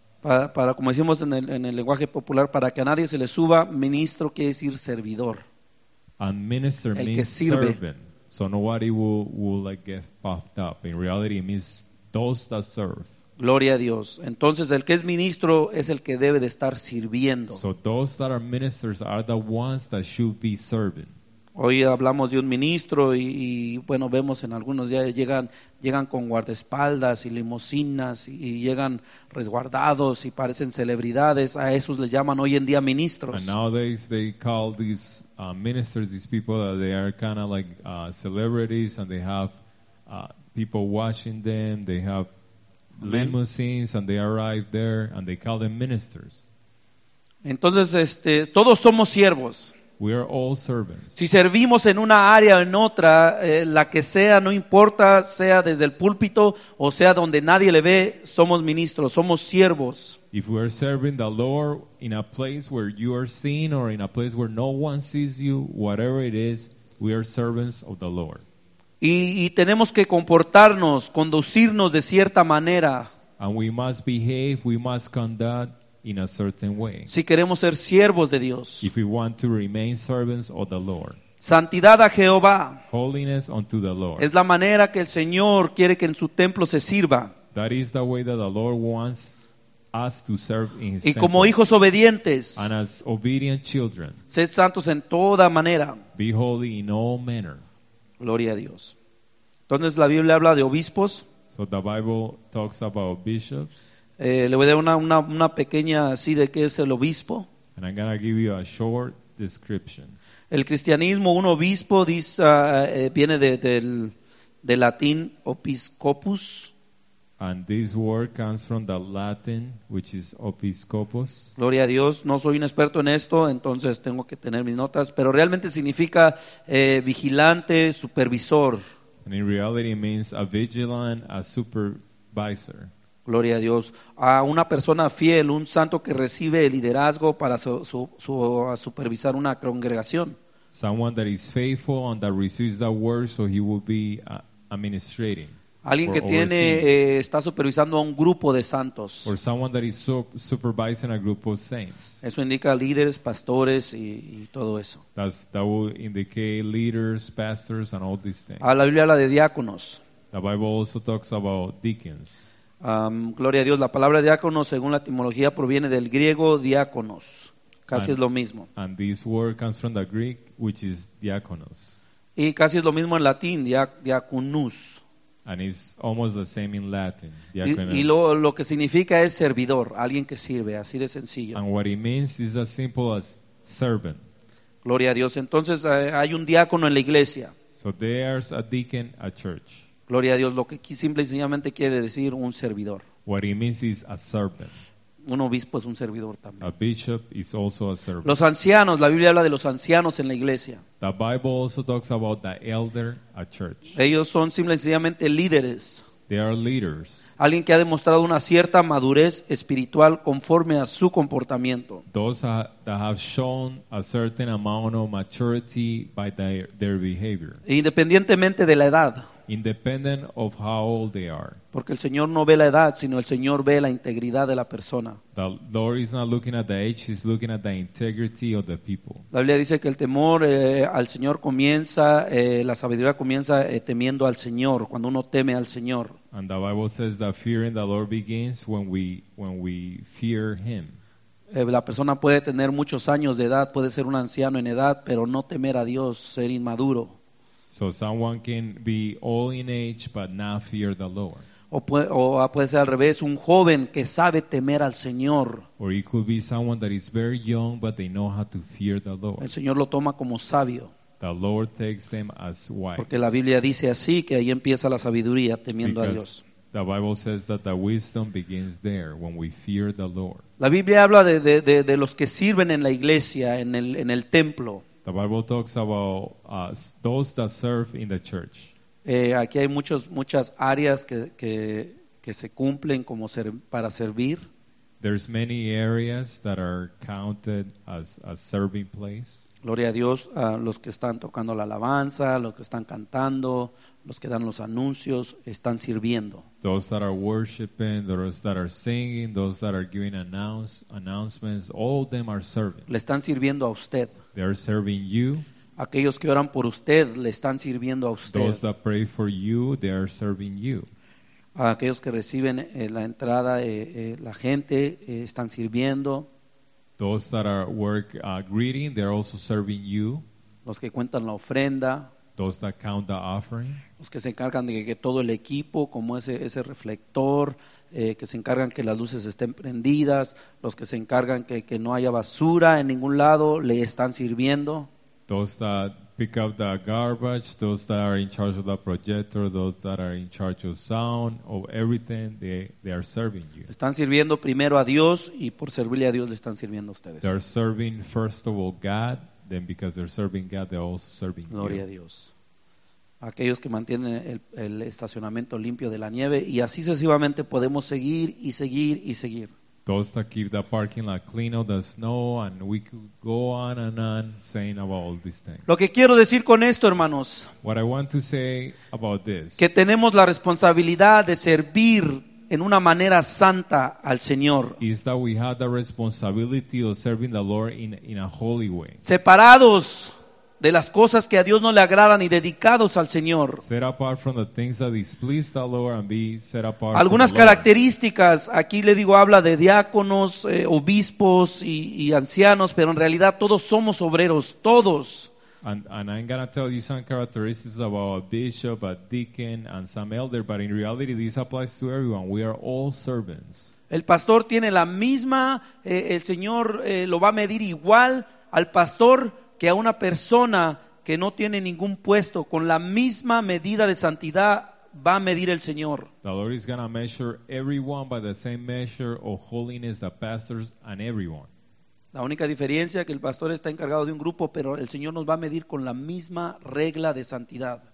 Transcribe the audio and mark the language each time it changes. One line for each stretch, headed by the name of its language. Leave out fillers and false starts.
Spanish: Para como decimos en el lenguaje popular, para que a nadie se le suba, ministro quiere decir servidor.
English: And minister
Spanish: el
English: means
Spanish: que sirve.
English: Servant. So nobody will like get puffed up. In reality, it means those that serve.
Spanish: Gloria a Dios. Entonces, el que es ministro es el que debe de estar sirviendo.
English: So those that are ministers are the ones that should be serving.
Spanish: Hoy hablamos de un ministro y bueno, vemos en algunos días llegan con guardaespaldas y limusinas y llegan resguardados y parecen celebridades. A esos les llaman hoy en día ministros.
English: And nowadays they call these ministers, these people that they are kind of like celebrities, and they have people watching them, they have limousines, and they arrive there and they call them ministers.
Spanish: Entonces, todos somos siervos.
English: We are all servants.
Spanish: Si servimos en una área o en otra, la que sea, no importa, sea desde el púlpito o sea donde nadie le ve, somos ministros, somos siervos.
English: If we are serving the Lord in a place where you are seen or in a place where no one sees you, whatever it is, we are servants of the Lord.
Spanish: Y tenemos que comportarnos, conducirnos de cierta manera.
English: And we must behave, we must conduct in a certain way.
Spanish: Si queremos ser siervos de Dios.
English: If we want to remain servants of the Lord.
Spanish: Santidad a Jehová.
English: Holiness unto the Lord.
Spanish: Es la manera que el Señor quiere que en su templo se sirva.
English: That is the way that the Lord wants us to serve in his temple.
Spanish: Y como hijos obedientes.
English: And as obedient children.
Spanish: Sed santos en toda manera.
English: Be holy in all manner.
Spanish: Gloria a Dios. Entonces la Biblia habla de obispos.
English: So the Bible talks about bishops.
Spanish: Le voy a dar una pequeña así de qué es el obispo.
English: And I'm gonna give you a short description.
Spanish: El cristianismo, un obispo, dice, viene del latín episcopus.
English: And this word comes from the Latin, which is episcopus.
Spanish: Gloria a Dios, no soy un experto en esto, entonces tengo que tener mis notas, pero realmente significa vigilante, supervisor.
English: And in reality means a vigilant, a supervisor.
Spanish: Gloria a Dios. A una persona fiel, un santo que recibe el liderazgo para supervisar una congregación.
English: Someone that is faithful and that receives that word, so he will be administrating.
Spanish: Alguien que tiene, está supervisando a un grupo de santos.
English: Or someone that is supervising a group of saints.
Spanish: Eso indica líderes, pastores y todo eso.
English: That will indicate leaders, pastors, and all these things.
Spanish: A la Biblia habla de diáconos.
English: The Bible also talks about deacons.
Spanish: Gloria a Dios, la palabra diácono según la etimología proviene del griego diáconos, casi es lo mismo.
English: And this word comes from the Greek, which is diáconos.
Spanish: Y casi es lo mismo en latín, diaconus.
English: And it's almost the same in Latin, diaconus.
Spanish: Y lo que significa es servidor, alguien que sirve, así de sencillo.
English: And what it means is as simple as servant.
Spanish: Gloria a Dios, entonces hay un diácono en la iglesia.
English: So there's a deacon at church.
Spanish: Gloria a Dios, lo que simple y sencillamente quiere decir un servidor.
English: What it means is a servant.
Spanish: Un obispo es un servidor también.
English: A bishop is also a servant.
Spanish: Los ancianos, la Biblia habla de los ancianos en la iglesia.
English: The Bible also talks about the elder at church.
Spanish: Ellos son simple y sencillamente líderes.
English: They are leaders.
Spanish: Alguien que ha demostrado una cierta madurez espiritual conforme a su comportamiento.
English: Those that have shown a certain amount of maturity by their behavior.
Spanish: Independientemente de la edad.
English: Independent of how old they are.
Spanish: Porque el Señor no ve la edad, sino el Señor ve la integridad de la persona.
English: The Lord is not looking at the age, he's looking at the integrity of the people.
Spanish: La Biblia dice que el temor al Señor comienza, la sabiduría comienza temiendo al Señor, cuando uno teme al Señor.
English: And the Bible says that fearing the Lord begins when we fear him.
Spanish: La persona puede tener muchos años de edad, puede ser un anciano en edad, pero no temer a Dios, ser inmaduro.
English: So someone can be old in age but not fear the Lord.
Spanish: O puede ser al revés, un joven que sabe temer al Señor.
English: Or it could be someone that is very young but they know how to fear the Lord.
Spanish: El Señor lo toma como sabio.
English: The Lord takes them as wise.
Spanish: Porque la Biblia dice así, que ahí empieza la sabiduría temiendo
English: Because
Spanish: a Dios.
English: The Bible says that the wisdom begins there when we fear the Lord.
Spanish: La Biblia habla de los que sirven en la iglesia, en el templo.
English: The Bible talks about those that serve in the church.
Spanish: Aquí hay muchas áreas que se cumplen como para servir.
English: There's many areas that are counted as a serving place.
Spanish: Gloria a Dios, los que están tocando la alabanza, los que están cantando, los que dan los anuncios, están sirviendo.
English: Those that are worshiping, those that are singing, those that are giving announcements, all of them are serving.
Spanish: Le están sirviendo a usted.
English: They are serving you.
Spanish: Aquellos que oran por usted, le están sirviendo a usted.
English: Those that pray for you, they are serving you.
Spanish: Aquellos que reciben la entrada, la gente, están sirviendo.
English: Those that are greeting, they're also serving you.
Spanish: los que cuentan la ofrenda,
English: those that count the offering,
Spanish: los que se encargan de que todo el equipo, como ese reflector, que se encargan que las luces estén prendidas, los que se encargan que no haya basura en ningún lado, le están sirviendo.
English: Those that pick up the garbage, those that are in charge of the projector, those that are in charge of sound, of everything, they are serving you.
Spanish: Están sirviendo primero a Dios y por servirle a Dios le están sirviendo a ustedes.
English: They are serving first of all God, then because they're serving God, they're also serving you.
Spanish: Gloria a Dios. Aquellos que mantienen el estacionamiento limpio de la nieve y así sucesivamente podemos seguir y seguir y seguir.
English: Those that keep the parking lot clean of the snow, and we could go on and on saying about all these things.
Spanish: Lo que quiero decir con esto, hermanos,
English: what I want to say about this,
Spanish: que tenemos la responsabilidad de servir en una manera santa al Señor,
English: is that we have the responsibility of serving the Lord in a holy way.
Spanish: Separados de las cosas que a Dios no le agradan y dedicados al Señor.
English: Set apart from the things that displease the Lord and be set apart.
Spanish: Algunas características, aquí le digo, habla de diáconos, obispos y ancianos, pero en realidad todos somos obreros, todos.
English: And I'm going to tell you some characteristics about a bishop, a deacon, and some elder, but in reality this applies to everyone. We are all servants.
Spanish: El pastor tiene la misma, el Señor lo va a medir igual al pastor que a una persona que no tiene ningún puesto, con la misma medida de santidad va a medir el Señor.
English: The Lord is going to measure everyone by the same measure of holiness, the pastors and everyone.
Spanish: La única diferencia es que el pastor está encargado de un grupo, pero el Señor nos va a medir con la misma regla de santidad.